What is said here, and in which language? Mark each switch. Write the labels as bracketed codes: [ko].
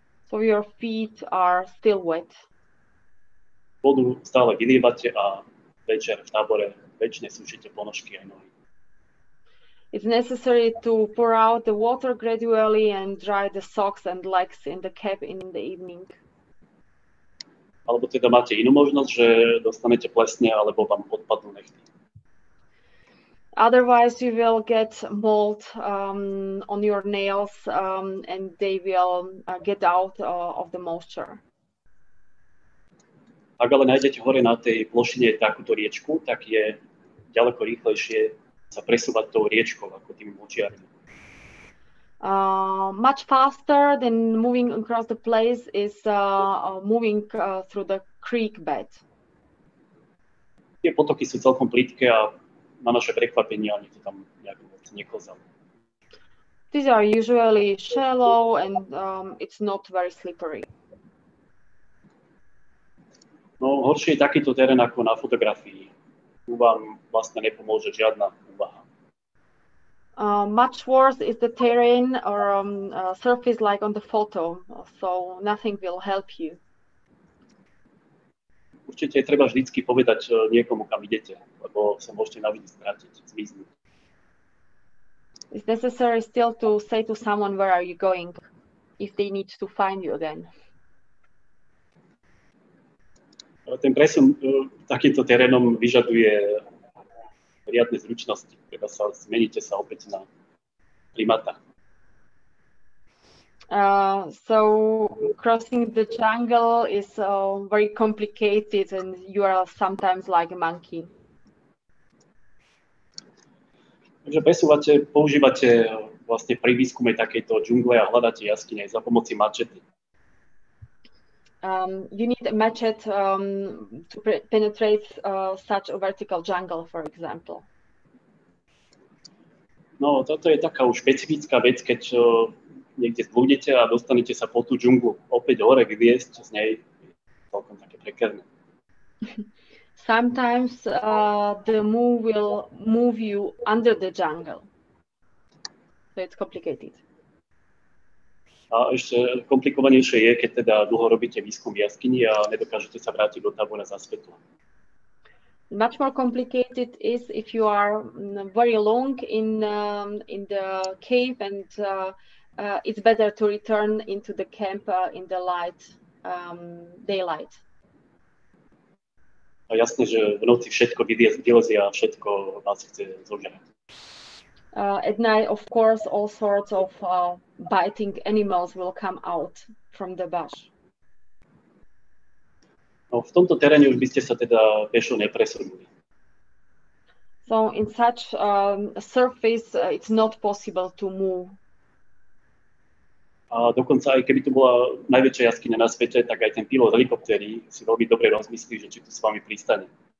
[en] So your feet are still wet. [sk] Vodu stále vylievate a večer v tábore väčšine sušíte ponožky aj nohy. [en] It's necessary to pour out the water gradually and dry the socks and legs in the cab in the evening. [sk] Alebo teda máte inú možnosť, že dostanete plesne alebo vám odpadnú nechty. [en] Otherwise you will get mold on your nails and they will get out of the moisture. [sk] Ak ale nájdete hore na tej plošine takúto riečku, tak je ďaleko rýchlejšie sa presúvať tou riečkou ako tým močiarom. [en] Much faster than moving across the place is moving through the creek bed. [sk] Tie potoky sú celkom plitké a na naše prekvapenie ani to tam nejaké moc neklzalo. [en] These are usually shallow and it's not very slippery. [sk] No, horšie je takýto terén ako na fotografii. Tu vám vlastne nepomôže žiadna úvaha. [en] Much worse is the terrain or surface like on the photo, so nothing will help you. [sk] Určite je treba vždycky povedať niekomu, kam idete, lebo sa môžete navždy stratiť, zmiznúť. [en] It's necessary still to say to someone where are you going, if they need to find you again. [sk] Ten presun takýmto terénom vyžaduje riadne zručnosti, teda sa zmeníte sa opäť na primata. [en] So crossing the jungle is very complicated and you are sometimes like a monkey. [sk] Takže presúvate, používate vlastne pri výskume takejto džungle a hľadáte jaskyne za pomoci mačety. [en] You need a machete to penetrate such a vertical jungle, for example. [sk] No, toto je taká už špecifická vec, keď niekde zblúdete a dostanete sa po tú džunglu opäť hore vyviesť z nej. Celkom také prekerné. [en] Sometimes the move will move you under the jungle. So it's complicated. [sk] A ešte komplikovanejšie je, keď teda dlho robíte výskum v jaskyni a nedokážete sa vrátiť do tábora za svetlo. [en] Much more complicated is if you are very long in the cave and it's better to return into the camp in the light, daylight. [sk] A jasné, že v noci všetko vylezie a všetko vás chce zožrať. [en] At night, of course, all sorts of biting animals will come out from the bush. [sk] No, v tomto teréne už by ste sa teda pešo nepresunuli. [en] So in such surface, it's not possible to move. [sk] A dokonca aj keby tu bola najväčšia jaskyňa na svete, tak aj ten pilot helikoptéry si veľmi dobre rozmyslí, že či tu s vami pristane.